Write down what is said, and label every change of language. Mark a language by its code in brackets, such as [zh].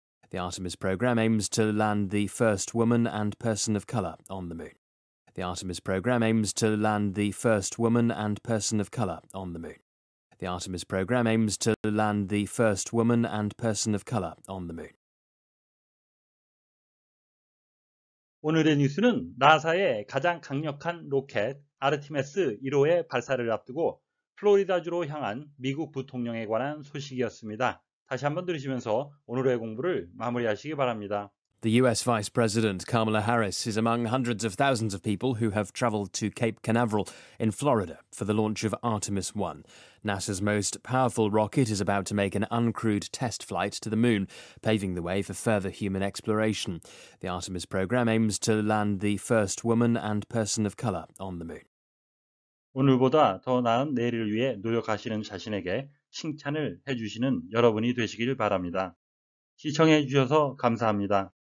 [en] The Artemis program aims to land the first woman and person of color on the moon. The Artemis program aims to land the first woman and person of color on the moon. The Artemis program aims to land the first woman and person of color on the moon. [ko] 오늘의 뉴스는 나사의 가장 강력한 로켓 아르테미스 1호의 발사를 앞두고 플로리다주로 향한 미국 부통령에 관한 소식이었습니다. 다시 한번 들으시면서 오늘의 공부를 마무리하시기 바랍니다. [en] The U.S. Vice President Kamala Harris is among hundreds of thousands of people who have traveled to Cape Canaveral in Florida for the launch of Artemis 1. NASA's most powerful rocket is about to make an uncrewed test flight to the moon, paving the way for further human exploration. The Artemis program aims to land the first woman and person of color on the moon. [ko] 오늘보다 더 나은 내일을 위해 노력하시는 자신에게 칭찬을 해주시는 여러분이 되시길 바랍니다. 시청해 주셔서 감사합니다.